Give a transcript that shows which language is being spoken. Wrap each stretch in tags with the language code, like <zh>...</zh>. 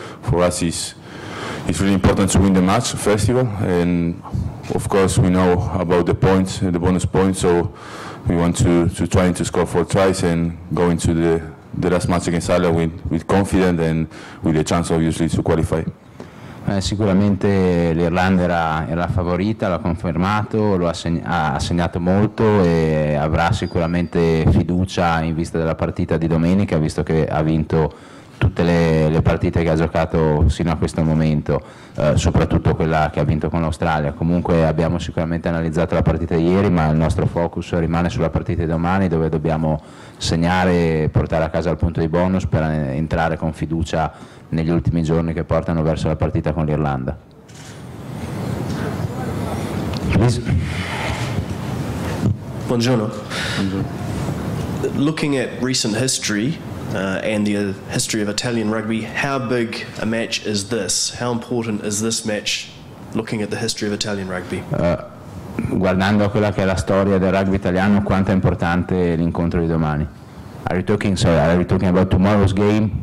<en>For us, it's really important to win the match, first of all. And of course, we know about the points, the bonus points, so we want to try to score 4 tries and go into the last match against Ireland with confidence and with a chance, obviously, to qualify.</en> <it>Sicuramente l'Irlanda era favorita, l'ha confermato, ha segnato molto e avrà sicuramente fiducia in vista della partita di domenica, visto che ha vinto tutte le partite che ha giocato sino a questo momento, soprattutto quella che ha vinto con l'Australia. Comunque abbiamo sicuramente analizzato la partita di ieri, ma il nostro focus rimane sulla partita di domani, dove dobbiamo segnare e portare a casa il punto di bonus per entrare con fiducia negli ultimi giorni che portano verso la partita con l'Irlanda.</it> <en>Please.</en> <it>Buongiorno.</it> <en>Looking at recent history and the history of Italian rugby, how big a match is this? How important is this match looking at the history of Italian rugby?</en> <it>Guardando quella che è la storia del rugby italiano, quanto è importante l'incontro di domani?</it> <en>Are you talking about tomorrow's game?</en>